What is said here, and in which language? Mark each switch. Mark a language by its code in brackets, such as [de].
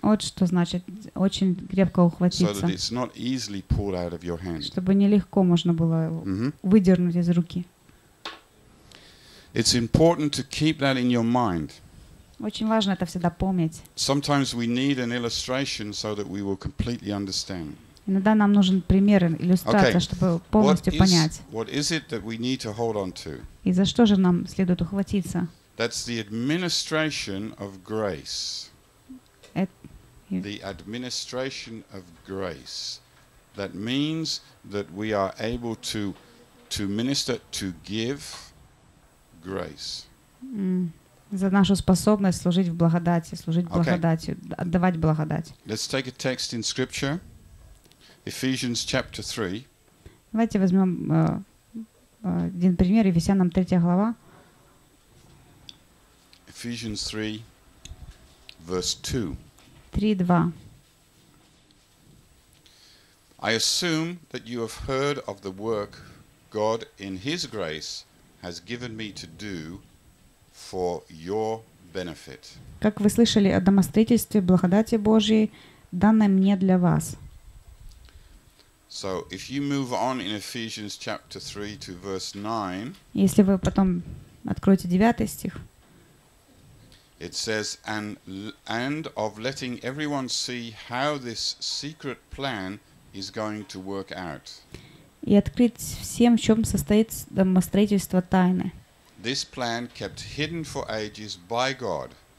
[ru] Вот что значит очень крепко ухватиться. [en] So that it's not easily pulled out of your hand. [ru] Чтобы нелегко можно было выдернуть из руки. [en] It's important to keep that in your mind. [ru] Очень важно это всегда помнить. [en] Sometimes we need an illustration so that we will completely understand. [ru] Иногда нам нужен пример, иллюстрация, чтобы полностью понять. [en] What is it that we need to hold on to? [ru] И за что же нам следует ухватиться? [en] That's the administration of grace. The administration of grace. That means that we are able to minister, to give grace. [ru] За нашу способность служить в благодати, служить благодатью, отдавать благодать. [en] Let's take a text in Scripture, Ephesians chapter 3. [ru] Давайте возьмем один пример, Ефесянам 3 глава. [en] Ephesians 3, verse 2. 3:2. I assume that you have heard of the work God in His grace has given me to do for your benefit. [ru] Как вы слышали о домостроительстве благодати Божьей, данной мне для вас. [en] So, if you move on in Ephesians chapter 3 to verse 9, [ru] если вы потом откроете 9 стих, [en] it says, and of letting everyone see how this secret plan is going to work out. [ru] И открыть всем, в чем состоит домостроительство тайны. [en] This plan kept hidden for ages by God,